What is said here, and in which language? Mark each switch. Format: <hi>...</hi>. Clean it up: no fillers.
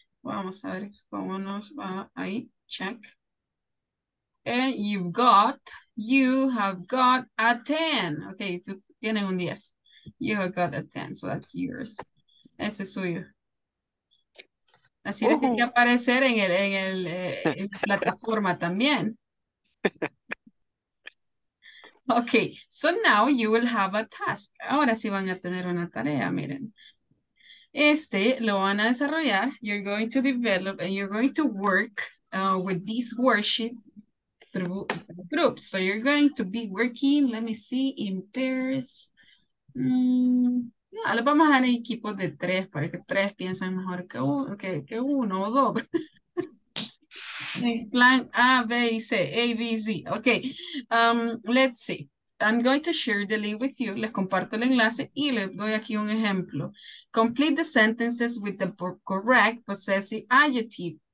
<es>Vamos a ver cómo nos va ahí. Check.</es> <en>And you have got a 10.</en> <es>Okay. Tú tienes un 10.</es> <en>You have got a 10. So that's yours.</en> <es>Ese es suyo. Así le tiene que aparecer en la plataforma también.</es> <en>Okay, so now you will have a task.</en> <es>Ahora sí van a tener una tarea, miren. Este lo van a desarrollar.</es> <en>You're going to develop and you're going to work with this worksheet through groups. So you're going to be working, let me see, in pairs.</en> <es>Yeah, le vamos a dar equipos de tres para que tres piensan mejor que uno o dos.</es> <en>Plan A, B, C, A, B, Z. Okay, let's see. I'm going to share the link with you.</en> <es>Les comparto el enlace y les doy aquí un ejemplo.</es> <en>Complete the sentences with the correct possessive adjective.</en>